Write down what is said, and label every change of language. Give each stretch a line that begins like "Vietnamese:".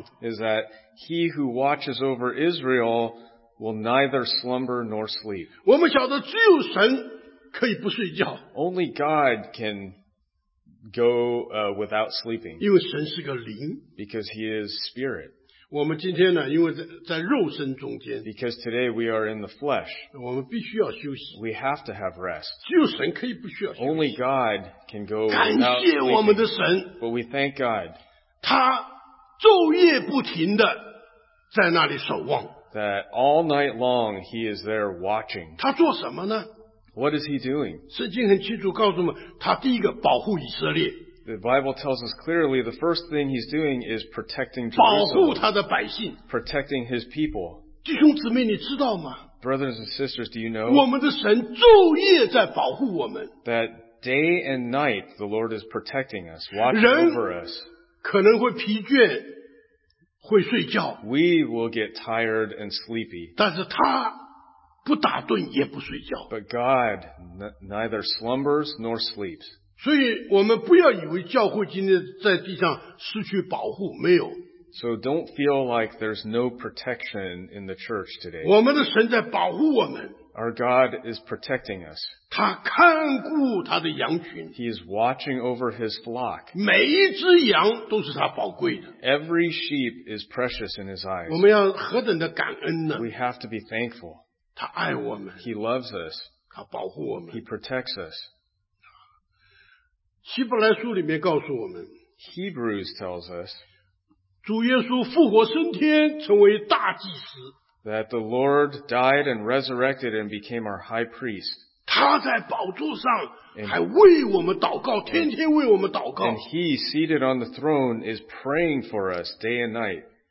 English: Is that he who watches over Israel will neither slumber nor sleep.
Chinese: 我们晓得只有神可以不睡觉。
English: Only God can go without sleeping.
Chinese: 因为神是个灵。
English: Because he is spirit.
Chinese: 我们今天呢,因为在肉身中间,
English: because today we are in the flesh. We have to have rest. Only God can go without sleeping. But we thank God that all night long he is there watching.
Chinese: 他做什么呢?
English: What is he doing?
Chinese: 圣经很清楚告诉我们,他第一个保护以色列。
English: The Bible tells us clearly the first thing he's doing is protecting Jerusalem, protecting his people.
Chinese: 弟兄姊妹,你知道吗?
English: Brothers and sisters, do you know
Chinese: 我们的神昼夜在保护我们?
English: That day and night the Lord is protecting us, watching over us?
Chinese: 人可能会疲倦,会睡觉,
English: we will get tired and sleepy.
Chinese: 但是他不打盹也不睡觉,
English: but God neither slumbers nor sleeps.
Chinese: 所以我们不要以为教会今天在地上失去保护，没有。
English: So don't feel like there's no protection in the church today.
Chinese: 我们的神在保护我们。
English: Our God is protecting us.
Chinese: 他看顾他的羊群。
English: He is watching over his flock.
Chinese: 每一只羊都是他宝贵的。
English: Every sheep is precious in his eyes.
Chinese: 我们要何等的感恩呢?
English: We have to be thankful.
Chinese: 他爱我们。
English: He loves us.
Chinese: 他保护我们。
English: He protects us.
Chinese: 希伯来书里面告诉我们,
English: Hebrews tells us
Chinese: 主耶稣复活升天成为大祭司,
English: that the Lord died and resurrected and became our high priest.
Chinese: 他在宝座上还为我们祷告,
English: and he seated on the throne is praying for us day and night.